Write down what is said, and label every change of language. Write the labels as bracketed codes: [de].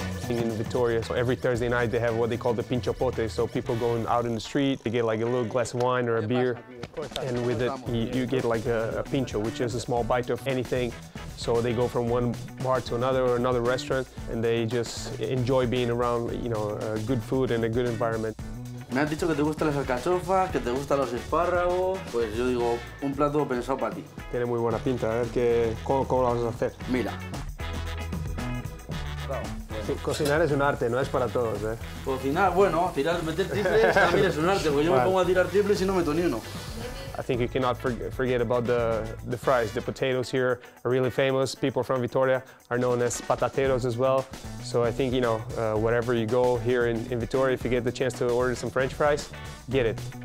[en] In Vitoria, so every Thursday night they have what they call the pincho pote. So people go out in the street, they get like a little glass of wine or a beer, and with it you get like a pincho, which is a small bite of anything. So they go from one bar to another or another restaurant, and they just enjoy being around, you know, good food and a good environment. [es] Me han dicho que te gustan las alcachofas, que te gustan los espárragos, pues yo digo un plato pensado para ti. Tiene muy buena pinta. A ver qué cómo lo vas a hacer. Mira. Cocinar es un arte, no es para todos, ¿eh? Cocinar, bueno, tirar, meter triples también es un arte, porque yo me pongo a tirar triples y no meto ni uno. [en] I think you cannot forget about the fries. The potatoes here are really famous. People from Vitoria are known as patateros as well. So I think, you know, wherever you go here in Vitoria, if you get the chance to order some French fries, get it.